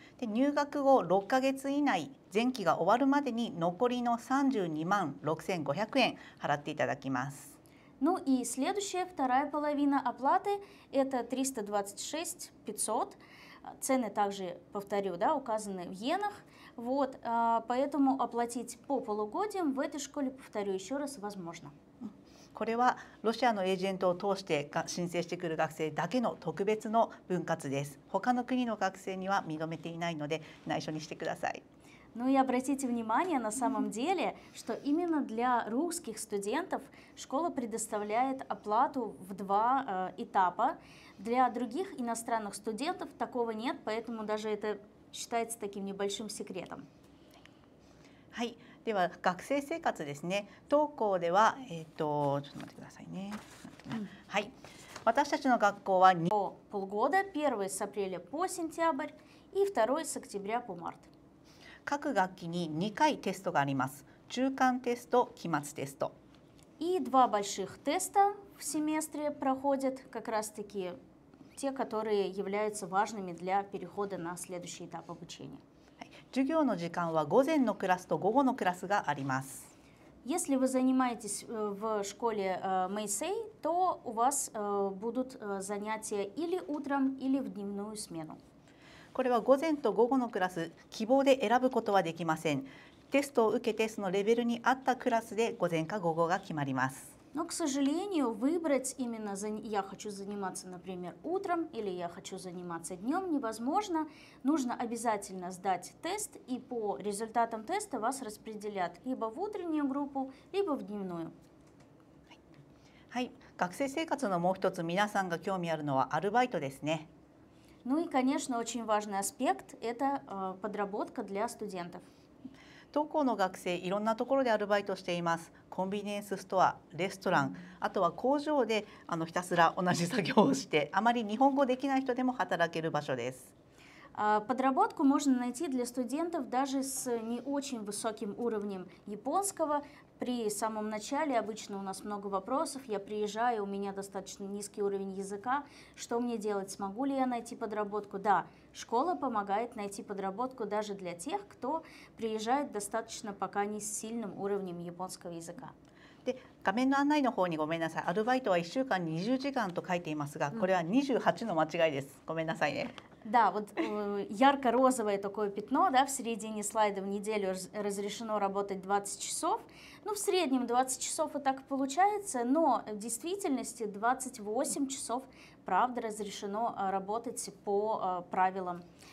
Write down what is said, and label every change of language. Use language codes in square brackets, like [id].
[ja] 入学後6ヶ月以内、前期が終わるまでに残りの32,6500円払っていただきます。 [ru] Ну и следующая, вторая половина оплаты, это 326 500. Цены также, повторю, да, указаны в иенах, вот, поэтому оплатить по полугодиям в этой школе, повторю еще раз, возможно. [ja] これはロシアのエージェントを通して申請してくる学生だけの特別の分割です。他の国の学生には認めていないので内緒にしてください。 [ru] Ну и обратите внимание на самом деле, что именно для русских студентов школа предоставляет оплату в два этапа. Для других иностранных студентов такого нет, поэтому даже это считается таким небольшим секретом. [ja] はい、では学生生活ですね。当校では、ちょっと待ってくださいね。はい、私たちの学校は [ru] 2 полгода, первый с апреля по сентябрь и второй с октября по март. [ja] 各学期に2回テストがあります。中間テスト、期末テスト。 [ru] И два больших теста в семестре проходят как раз-таки те, которые являются важными для перехода на следующий этап обучения. [ja] 授業の時間は午前のクラスと午後のクラスがあります。 [ru] Если вы занимаетесь в школе Мэйсэй, то у вас будут занятия или утром, или в дневную смену. [ja] これは午前と午後のクラス、希望で選ぶことはできません。テストを受けてそのレベルに合ったクラスで午前か午後が決まります。 [ru] Но, к сожалению, выбрать именно я хочу заниматься, например, утром или я хочу заниматься днем невозможно. Нужно обязательно сдать тест, и по результатам теста вас распределят либо в утреннюю группу, либо в дневную. [ja] はい、学生生活のもう一つ皆さんが興味あるのはアルバイトですね。 [ru] Ну и, конечно, очень важный аспект – это подработка для студентов. [ja] 当校の学生、いろんなところでアルバイトしています。コンビニエンスストア、レストラン、あとは工場でひたすら同じ作業をして、あまり日本語できない人でも働ける場所です。 [ru] Подработку можно найти для студентов даже с не очень высоким уровнем японского. При самом начале обычно у нас много вопросов. Я приезжаю, у меня достаточно низкий уровень языка. Что мне делать? Смогу ли я найти подработку? Да, школа помогает найти подработку даже для тех, кто приезжает достаточно пока не с сильным уровнем японского языка. [ja] で、画面の案内の方にごめんなさい。アルバイトは1週間20時間と書いていますが、これは28の間違いです。ごめんなさいね。 [ru] Да, вот ярко-розовое такое пятно, да, в середине слайда в неделю разрешено работать 20 часов. Ну, в среднем 20 часов и так получается, но в действительности 28 часов, правда, разрешено работать по правилам.